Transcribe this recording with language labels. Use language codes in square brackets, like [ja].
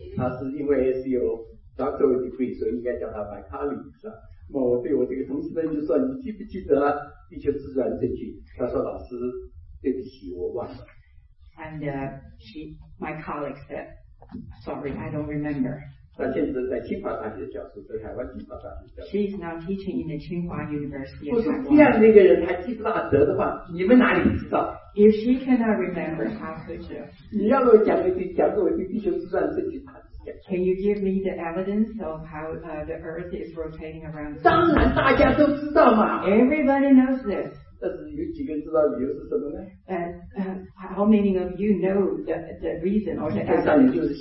[zh] 他是因为是有 [en] doctoral degree, [zh] 所以应该叫他 [en] my colleagues. [zh] 那么我对我这个同事呢就说，你记不记得地球自转证据？他说老师，对不起，我忘了。 [en] And my colleague said, sorry, I don't remember. [zh] 他现在在清华大学教书，在台湾清华大学教书。 [en] She's now teaching in the Tsinghua University. [zh] 我说这样的一个人，他记不大得的话，你们哪里知道 [en] ？If she cannot remember, how could you? [zh] 你要给我讲个地球自转证据，他讲。 [en] Can you give me the evidence of how the Earth is rotating around? [zh] 当然，大家都知道嘛。 [en] Everybody knows this. [zh] 但是有几个人知道理由是什么呢？ [en] How many of you know the reason or the evidence?